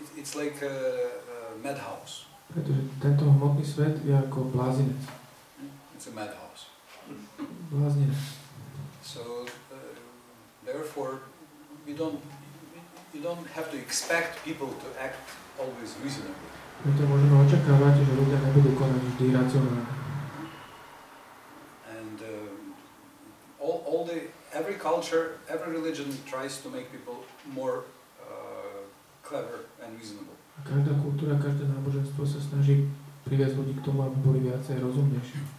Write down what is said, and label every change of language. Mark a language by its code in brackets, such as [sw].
[en] It's like a madhouse. [sk] Pretože tento hmotný svet je ako blázinec. [en] It's a madhouse. [sk] Blázinec. [en] So. Therefore, you don't have to expect people to act always reasonably. [sk] My to môžeme očakávať, že ľudia nebudú konať vždy racionálne. [en] And every culture, every religion tries to make people more clever and reasonable. [sk] A každá kultúra, každé náboženstvo sa snaží priviesť ľudí k tomu, aby boli viacej rozumnejší.